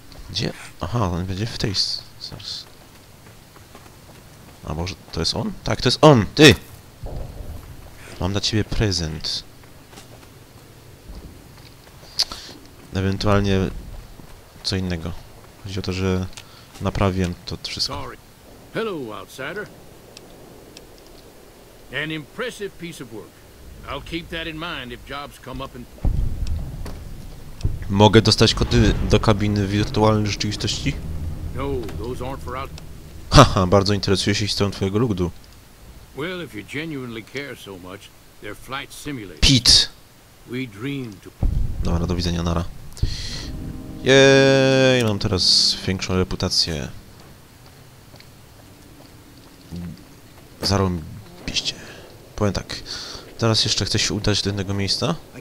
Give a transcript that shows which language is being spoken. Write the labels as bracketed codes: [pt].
[pl] Gdzie? Aha, on będzie w tej... Zaraz. A może to jest on? Tak, to jest on! Ty! Mam dla ciebie prezent. Ewentualnie... Co innego. Chodzi o to, że... Naprawiłem to wszystko. [en] Hello, outsider. An impressive piece of work. I'll keep that in mind if jobs come up and... [pl] Mogę dostać kody do kabiny wirtualnej rzeczywistości? [en] No, those aren't for out... [pl] Haha, bardzo interesuje się historią twojego ludu. [en] Well, if you genuinely care so much, they're flight simulators. Pete! We dream to... [pl] Dobra, do widzenia, nara. Jej, mam teraz większą reputację. Zarąbiście. Powiem tak. Teraz jeszcze chcę się udać do jednego miejsca.